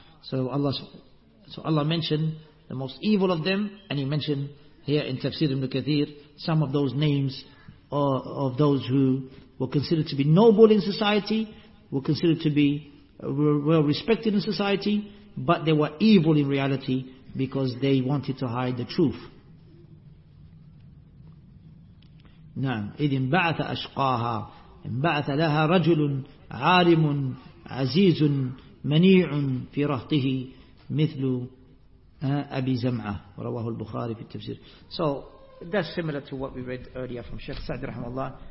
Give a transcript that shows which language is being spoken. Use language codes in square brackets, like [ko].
[en] So Allah mentioned the most evil of them, and he mentioned here in Tafsir Ibn Kathir some of those names of those who were considered to be noble in society, were considered to be well respected in society, but they were evil in reality because they wanted to hide the truth. [ar] نعم. إذ انبعث أشقاها انبعث لها رجل عارم عزيز منيع في رهطه مثل أبي زمعة رواه البخاري في التفسير. [en] So that's similar to what we read earlier from Sheikh Sa'd rahimahullah.